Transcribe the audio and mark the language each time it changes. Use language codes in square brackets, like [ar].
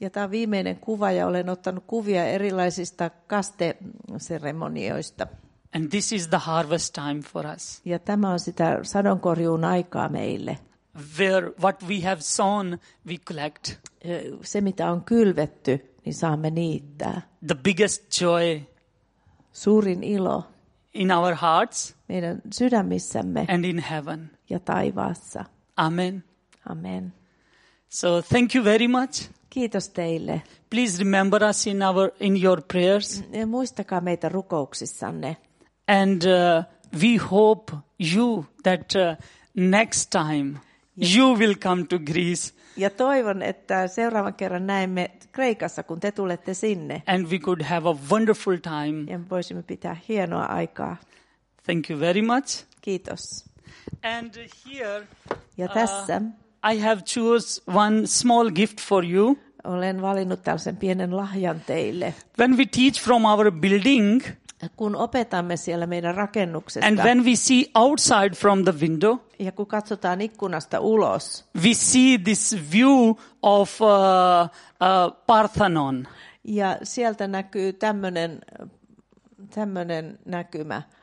[fi] Ja tämä on viimeinen kuva ja olen ottanut kuvia erilaisista kasteseremonioista. [en] And this is the harvest time for us. [fi] Ja tämä on sitä sadonkorjuun aikaa meille. [en] Where what we have sown, we collect. [fi] Se mitä on kylvetty, niin saamme niittää. [en] The biggest joy. [fi] Suurin ilo. [en] In our hearts, [fi] meidän sydämissämme, [en] and in heaven, [fi] ja taivaassa. [en] Amen. [fi] Amen. [en] So thank you very much. [fi] Kiitos teille. [en] Please remember us in our in your prayers. [fi] Ja muistakaa meitä rukouksissanne. [en] And we hope you that next time you will come to Greece. [fi] Ja toivon, että seuraavan kerran näemme Kreikassa, kun te tulette sinne. [en] And we could have a wonderful time. [fi] Ja voisimme pitää hienoa aikaa. [en] Thank you very much. [fi] Kiitos. [en] And here, [fi] ja tässä, [en] I have choose one small gift for you. [fi] Olen valinnut tällaisen pienen lahjan teille. [en] When we teach from our building, [fi] kun opetamme siellä meidän rakennuksesta. [en] And when we see outside from the window, [fi] ja kun katsotaan ikkunasta ulos. [en] We see this view of Parthenon. [fi] Ja sieltä näkyy tämmönen näkymä.